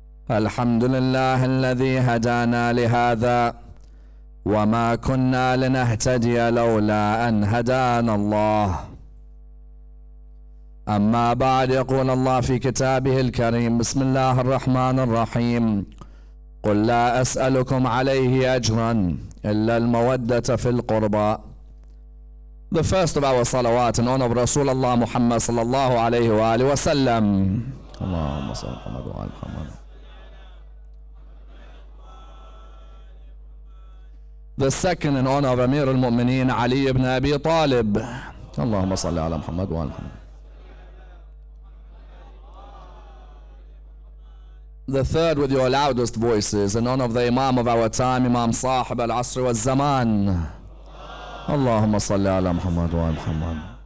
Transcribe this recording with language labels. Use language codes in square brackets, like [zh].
[ar] الحمد لله الذي هدانا لهذا وما كنا لنهتدي لولا أن هدانا الله أما بعد يقول الله في كتابه الكريم بسم الله الرحمن الرحيم قل لا أسألكم عليه أجرا إلا المودة في القربى. [en] The first of our salawat in honor of Rasulullah Muhammad [ar] صلى الله عليه وآله وسلم. اللهم صل على محمد وآل محمد. [en] The second in honor of Amir al-Mu'mineen Ali ibn Abi Talib. [ar] اللهم صل على محمد وآل محمد. [en] The third with your loudest voices, in honor of the Imam of our time, Imam Sahib al-Asr wa al-Zaman. [ar] Allahumma salli ala Muhammad wa al-Muhammad.